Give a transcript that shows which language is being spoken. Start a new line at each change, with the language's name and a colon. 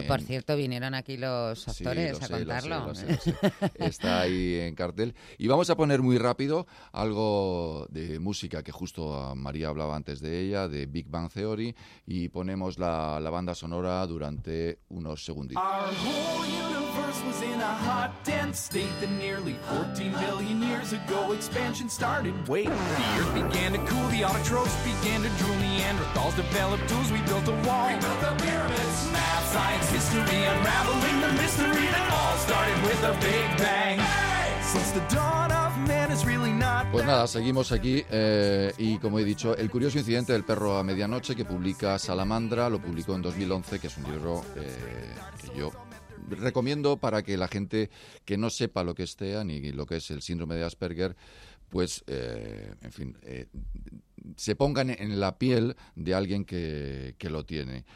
Spanish: Que por cierto vinieron aquí los actores sí, lo a sé, contarlo. Lo sé. Está ahí en cartel. Y vamos a poner muy rápido algo de música que justo María hablaba antes de ella, de Big Bang Theory, y ponemos la banda sonora durante unos segunditos.
English: Our whole universe was in a hot, dense state that nearly 14 billion years ago expansion started. Wait, the earth began to cool, the autotrophs began to drool, Neanderthals developed tools, we built a wall. We built the pyramids, math, science, history, unraveling the mystery that all started with a Big Bang. Since the dawn of man is really not...
Spanish: Pues nada, seguimos aquí y como he dicho, El curioso incidente del perro a medianoche, que publica Salamandra, lo publicó en 2011, que es un libro que yo recomiendo para que la gente que no sepa lo que es TEA ni lo que es el síndrome de Asperger, pues, en fin, se pongan en la piel de alguien que lo tiene.